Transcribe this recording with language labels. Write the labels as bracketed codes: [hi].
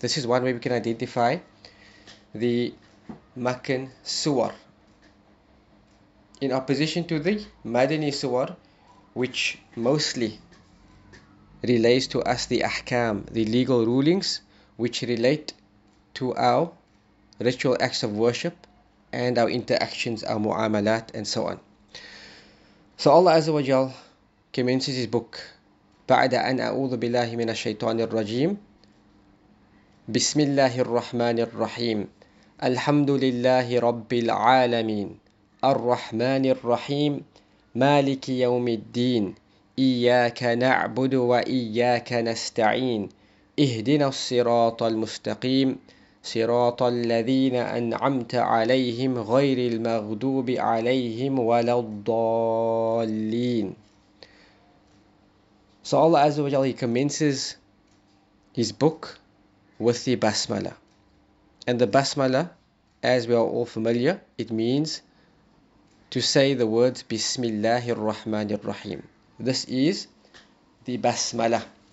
[en] This is one way we can identify the Makkan suwar, in opposition to the Madani suwar, which mostly relates to us the ahkam, the legal rulings, which relate to our ritual acts of worship and our interactions, our mu'amalat, and so on. So Allah Azza wa Jal commences his book, [ar] بعد أن أعوذ بالله من الشيطان الرجيم بسم الله الرحمن الرحيم الحمد لله رب العالمين الرحمن الرحيم مالك يوم الدين إياك نعبد وإياك نستعين اهدنا الصراط المستقيم صراط الذين أنعمت عليهم غير المغضوب عليهم ولا الضالين. [en] So Allah Azza wa Jalla, he commences his book with the basmala. And the basmala, as we are all familiar, it means to say the words Bismillahir Rahmanir Rahim. This is the basmala.